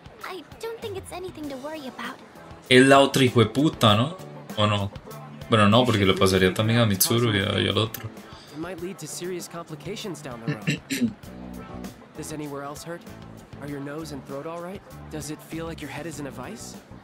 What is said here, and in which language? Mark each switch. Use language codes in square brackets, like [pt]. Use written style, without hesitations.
[en] I don't think it's anything to worry about. [es] Es la otra hijo de puta, ¿no? ¿O no? Bueno, no, porque le pasaría también a Mitsuru y al otro. [en] It might lead to serious complications down the road. Does anywhere else hurt? Are your nose and throat all right? Does it feel like your head is in a vice?